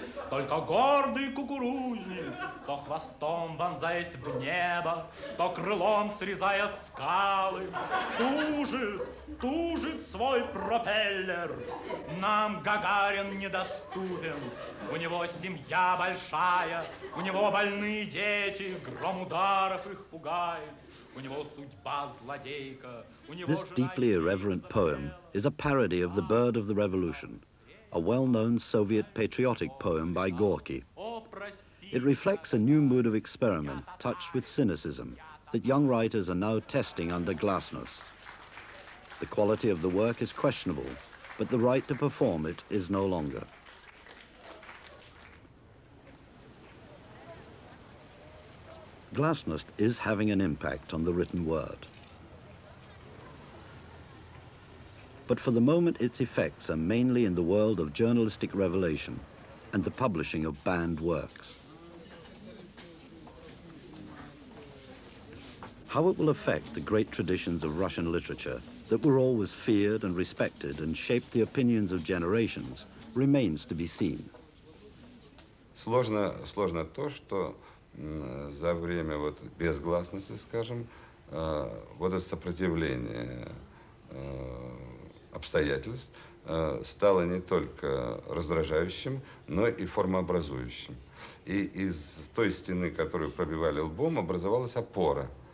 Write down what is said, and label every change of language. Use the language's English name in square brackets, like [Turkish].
[Russian] Только гордый кукурузник, то хвостом вонзаясь в небо, то крылом срезая скалы, тужит, тужит свой пропеллер. Нам Гагарин не достает. Доступен. У него семья большая, у него больные дети, гром ударов их пугает, у него судьба злодейка, у него. [English] This deeply irreverent poem is a parody of The Bird of the Revolution, a well-known Soviet patriotic poem by Gorky. It reflects a new mood of experiment, touched with cynicism, that young writers are now testing under glasnost. The quality of the work is questionable, but the right to perform it is no longer. Glasnost is having an impact on the written word. But for the moment, its effects are mainly in the world of journalistic revelation and the publishing of banned works. How it will affect the great traditions of Russian literature that were always feared and respected and shaped the opinions of generations remains to be seen. [Russian] Сложно, сложно то, что за время вот безгласности, скажем, вот это сопротивление обстоятельств стало не только раздражающим, но и формообразующим. И из той стены, которую пробивали лбом, образовалась опора.